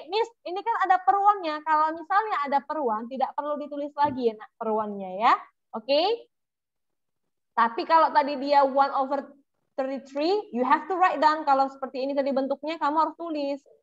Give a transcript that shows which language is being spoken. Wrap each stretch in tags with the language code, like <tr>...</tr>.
<id>Miss, ini kan ada peruannya. Kalau misalnya ada peruan, tidak perlu ditulis lagi ya, Nak, peruannya ya. Oke? Okay. Tapi kalau tadi dia</id> <en>1 over 33, you have to write down.</en> <id>Kalau seperti ini tadi bentuknya, kamu harus tulis.</id>